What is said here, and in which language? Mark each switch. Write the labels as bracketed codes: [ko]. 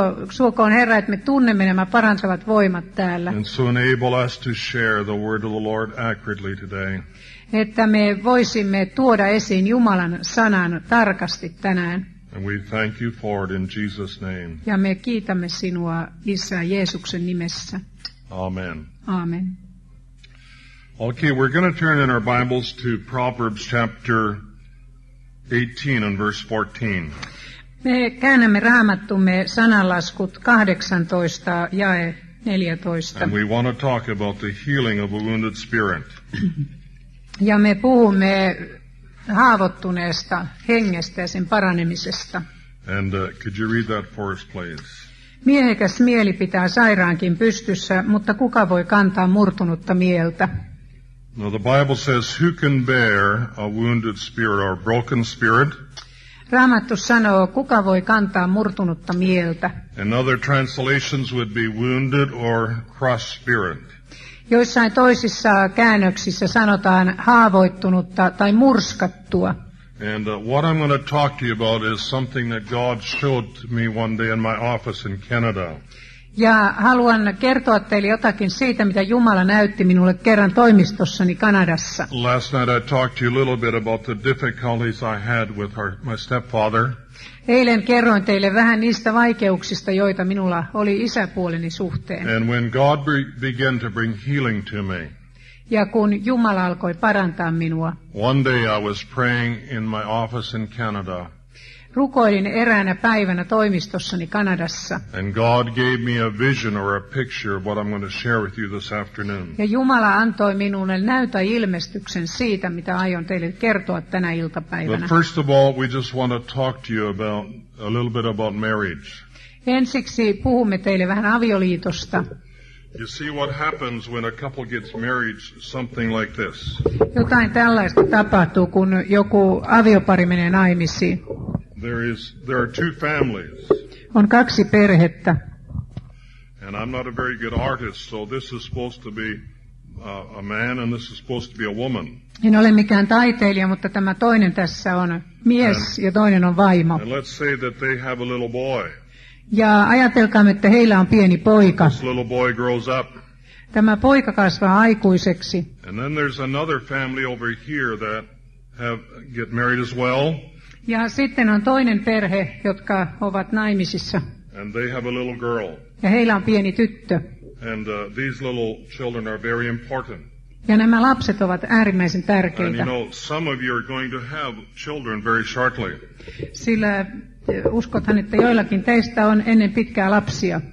[fi] Suokoon Herra, että me tunnemme nämä parantavat voimat täällä. [en] And so enable us to share the word of the Lord accurately today. [fi] Että me voisimme tuoda esiin Jumalan sanan tarkasti tänään. [en] And we thank you for it in Jesus' name. [fi] Ja me kiitämme sinua, Isä, Jeesuksen nimessä. Amen. Amen. [en] Okay, we're going to turn in our Bibles to Proverbs chapter 18 and verse 14. [fi] Me käännämme Raamattumme sananlaskut 18 jae 14. [en] And we want to talk about the healing of a wounded spirit. [fi] Ja me puhumme haavoittuneesta hengestä ja sen paranemisesta. [en] And could you read that for us, please? [fi] Miehekäs mieli pitää sairaankin pystyssä, mutta kuka voi kantaa murtunutta mieltä? [en] Now the Bible says, who can bear a wounded spirit or a broken spirit? [fi] Raamattu sanoo, kuka voi kantaa murtunutta mieltä? [en] And other translations would be wounded or crushed spirit. [fi] Joissain toisissa käännöksissä sanotaan haavoittunutta tai murskattua. [en] And what I'm going to talk to you about is something that God showed me one day in my office in Canada. [fi] Ja haluan kertoa teille jotakin siitä, mitä Jumala näytti minulle kerran toimistossani Kanadassa. [en] Last night I talked to you a little bit about the difficulties I had with my stepfather. [fi] Eilen kerroin teille vähän niistä vaikeuksista, joita minulla oli isäpuoleni suhteen. [en] And when God began to bring healing to me. [fi] Ja kun Jumala alkoi parantaa minua. [en] One day I was praying in my office in Canada. [fi] Rukoilin eräänä päivänä toimistossani Kanadassa. [en] And God gave me a vision or a picture of what I'm going to share with you this afternoon. [fi] Ja Jumala antoi minulle näytä ilmestyksen siitä, mitä aion teille kertoa tänä iltapäivänä. [en] But first of all, we just want to talk to you about a little bit about marriage. [fi] Ensiksi puhumme teille vähän avioliitosta. [en] You see what happens when a couple gets married, something like this. [fi] Jotain tällaista tapahtuu, kun joku aviopari menee naimisiin. [en] There are two families. [fi] On kaksi perhettä. [en] And I'm not a very good artist, so this is supposed to be a man and this is supposed to be a woman. [fi] En ole mikään taiteilija, mutta tämä toinen tässä on mies ja toinen on vaimo. [en] And let's say that they have a little boy. [fi] Ja ajatelkaamme, että heillä on pieni poika. [en] This little boy grows up. [fi] Tämä poika kasvaa aikuiseksi. [en] And then there's another family over here that get married as well. [fi] Ja sitten on toinen perhe, jotka ovat naimisissa. [en] And they have a little girl. [fi] Ja heillä on pieni tyttö. [en] And these little children are very important. [fi] Ja nämä lapset ovat äärimmäisen tärkeitä. [en] And you know, some of you are going to have children very shortly. [fi] Sillä uskothan, että joillakin teistä on ennen pitkää lapsia.